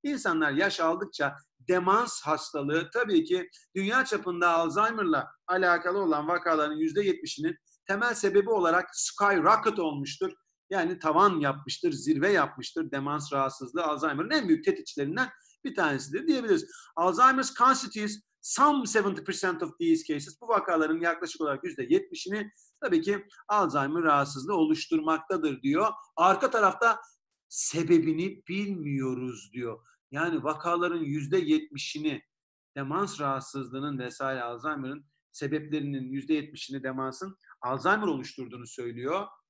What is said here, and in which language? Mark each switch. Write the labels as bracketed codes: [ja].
[tr] İnsanlar yaş aldıkça demans hastalığı, tabii ki dünya çapında Alzheimer'la alakalı olan vakaların %70'inin temel sebebi olarak skyrocket olmuştur. Yani tavan yapmıştır, zirve yapmıştır demans rahatsızlığı Alzheimer'ın en büyük tetikçilerinden bir tanesidir diyebiliriz. [en] Alzheimer's constitutes some 70% of these cases. [tr] Bu vakaların yaklaşık olarak %70'ini tabii ki Alzheimer rahatsızlığı oluşturmaktadır diyor. Arka tarafta sebebini bilmiyoruz diyor. Yani vakaların %70'ini demans rahatsızlığının vesaire Alzheimer'ın sebeplerinin %70'ini demansın Alzheimer oluşturduğunu söylüyor.